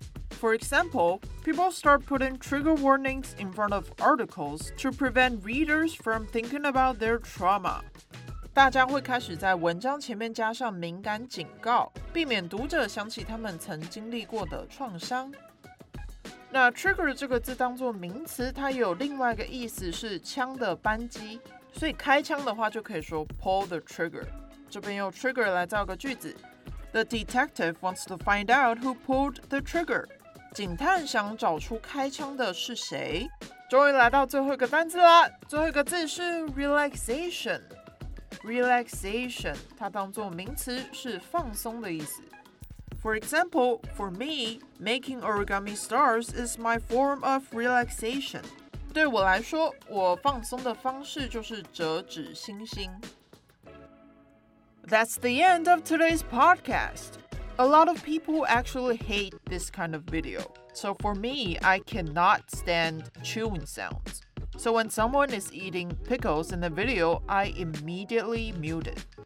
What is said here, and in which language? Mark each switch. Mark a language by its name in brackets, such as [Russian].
[English] For example, people start putting trigger warnings in front of articles to prevent readers from thinking about their trauma. [Chinese] 大家会开始在文章前面加上敏感警告，避免读者想起他们曾经历过的创伤。那 trigger 这个字当作名词，它有另外一个意思是枪的扳机，所以开枪的话就可以说 [English] pull the trigger。 [Chinese] 这边用 trigger 来造个句子 [English] ：The detective wants to find out who pulled the trigger. [Chinese] 警探想找出开枪的是谁？终于来到最后一个单字啦！最后一个字是 relaxation。relaxation 它当作名词是放松的意思。 [English] For example, for me, making origami stars is my form of relaxation. [Chinese] 对我来说，我放松的方式就是折纸星星。 [English] That's the end of today's podcast. A lot of people actually hate this kind of video. So for me, I cannot stand chewing sounds. So when someone is eating pickles in the video, I immediately mute it.